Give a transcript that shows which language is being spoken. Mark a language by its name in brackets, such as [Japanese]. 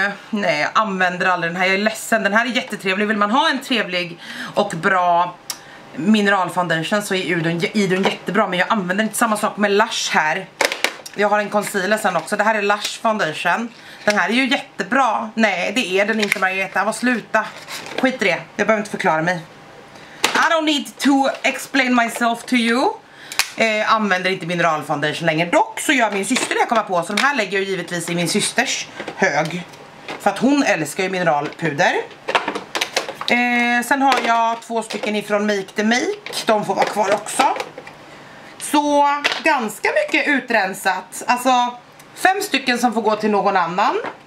[Swedish] Nej, jag använder aldrig den här, jag är ledsen. Den här är jättetrevlig, vill man ha en trevlig och bra mineralfoundation så är Idun jättebra, men jag använder inte. Samma sak med Lush här. Jag har en concealer sen också, det här är Lush Foundation. Den här är ju jättebra. Nej, det är den inte, Marietta, vad, sluta. Skit i det, jag behöver inte förklara mig. [English] I don't need to explain myself to you. [Swedish] Använder inte mineralfoundation längre. Dock så gör min syster det jag kommer på. Så de här lägger jag givetvis i min systers hög, för att hon älskar ju mineralpuder. Sen har jag två stycken ifrån Make the Make. De får vara kvar också. Så ganska mycket utrensat. Alltså 5 stycken som får gå till någon annan.